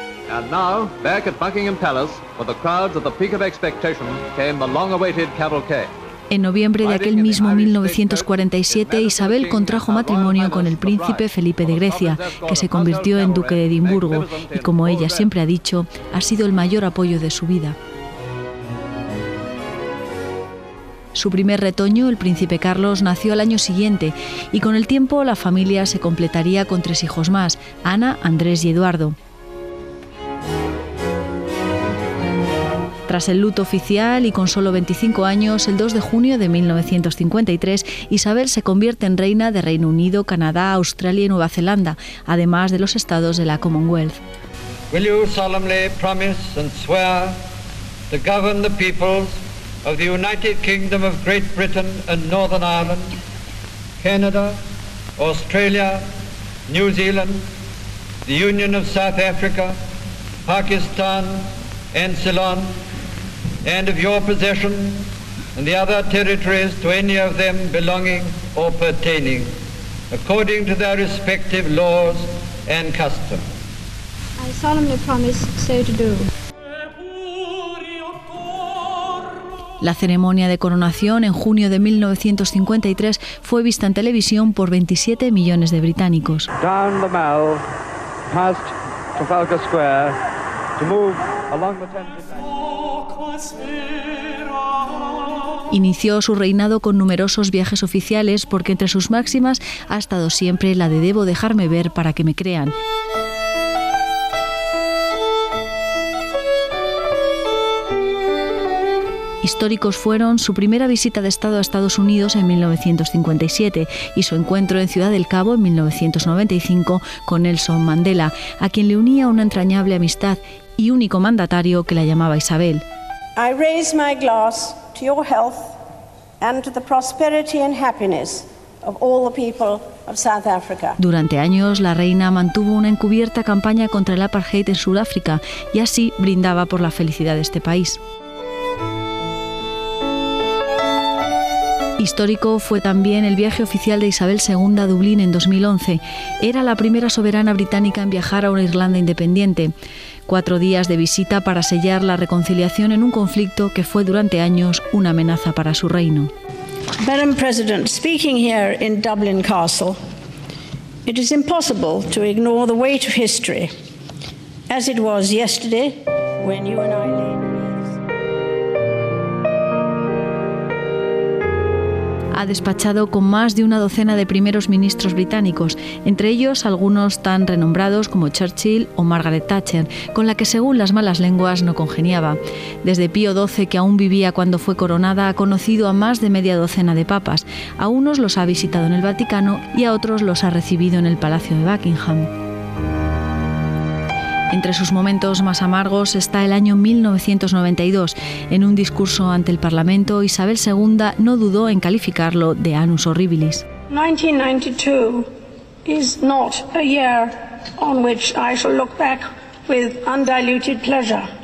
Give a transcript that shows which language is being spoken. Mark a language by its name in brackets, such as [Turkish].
[English] And now, back at Buckingham Palace, for the crowds at the peak of expectation, came the long-awaited cavalcade. [Spanish] En noviembre de aquel mismo 1947, Isabel contrajo matrimonio con el príncipe Felipe de Grecia, que se convirtió en duque de Edimburgo, y como ella siempre ha dicho, ha sido el mayor apoyo de su vida. Su primer retoño, el príncipe Carlos, nació al año siguiente y con el tiempo la familia se completaría con 3 hijos más, Ana, Andrés y Eduardo. Tras el luto oficial y con solo 25 años, el 2 de junio de 1953, Isabel se convierte en reina de Reino Unido, Canadá, Australia y Nueva Zelanda, además de los estados de la Commonwealth. [English] Will you solemnly promise and swear to govern the peoples of the United Kingdom of Great Britain and Northern Ireland, Canada, Australia, New Zealand, the Union of South Africa, Pakistan, and Ceylon, and of your possession and the other territories to any of them belonging or pertaining, according to their respective laws and customs. I solemnly promise so to do. [Spanish] La ceremonia de coronación en junio de 1953 fue vista en televisión por 27 millones de británicos. [English] Down the Mall, past Trafalgar Square, to move along the Thames. [Spanish] Inició su reinado con numerosos viajes oficiales porque entre sus máximas ha estado siempre la de debo dejarme ver para que me crean. Históricos fueron su primera visita de Estado a Estados Unidos en 1957 y su encuentro en Ciudad del Cabo en 1995 con Nelson Mandela, a quien le unía una entrañable amistad y único mandatario que la llamaba Isabel. [English] I raise my glass to your health and to the prosperity and happiness of all the people of South Africa. [Spanish] Durante años, la reina mantuvo una encubierta campaña contra el apartheid en Sudáfrica y así brindaba por la felicidad de este país. Histórico fue también el viaje oficial de Isabel II a Dublín en 2011. Era la primera soberana británica en viajar a una Irlanda independiente. 4 días de visita para sellar la reconciliación en un conflicto que fue durante años una amenaza para su reino. [English] Madam President, speaking here in Dublin Castle, it is impossible to ignore the weight of history, as it was yesterday when you and I laid. [Spanish] Ha despachado con más de una docena de primeros ministros británicos, entre ellos algunos tan renombrados como Churchill o Margaret Thatcher, con la que según las malas lenguas no congeniaba. Desde Pío XII, que aún vivía cuando fue coronada, ha conocido a más de media docena de papas. A unos los ha visitado en el Vaticano y a otros los ha recibido en el Palacio de Buckingham. Entre sus momentos más amargos está el año 1992. En un discurso ante el Parlamento, Isabel II no dudó en calificarlo de annus horribilis. [English] 1992 is not a year on which I shall look back with undiluted pleasure.